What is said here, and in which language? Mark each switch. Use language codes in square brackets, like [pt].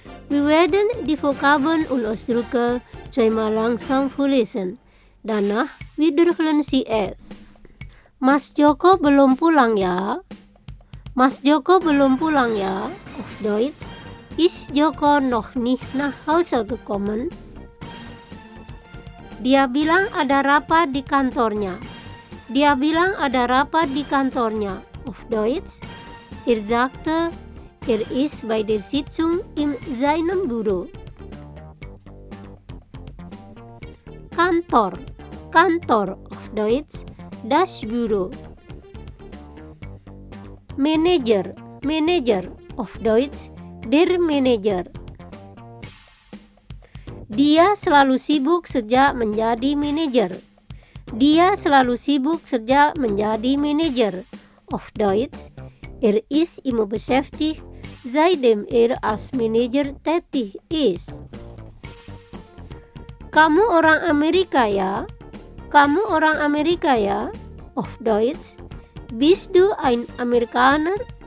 [de] Vi werden die Vokabeln und Ausdrücke zweimal langsam vorlesen. Danach wiederholen Sie es. [id] Mas Joko belum pulang ya? Mas Joko belum pulang ya? [de] Auf Deutsch. Ist Joko noch nicht nach Hause gekommen? [id] Dia bilang ada rapat di kantornya. Dia bilang ada rapat di kantornya. [de] Auf Deutsch. Er sagte, er ist bei der Sitzung in seinem Büro. Kantor. Kantor. Auf Deutsch. Das Büro. Manager. Manager. Auf Deutsch. Der Manager. [id] Dia selalu sibuk sejak menjadi manager. Dia selalu sibuk sejak menjadi manager. [de] Auf Deutsch. Er ist immer beschäftigt, seitdem er als Manager tätig ist. [id] Kamu orang Amerika ya? Kamu orang Amerika ya? [de] Auf Deutsch. Bist du ein Amerikaner?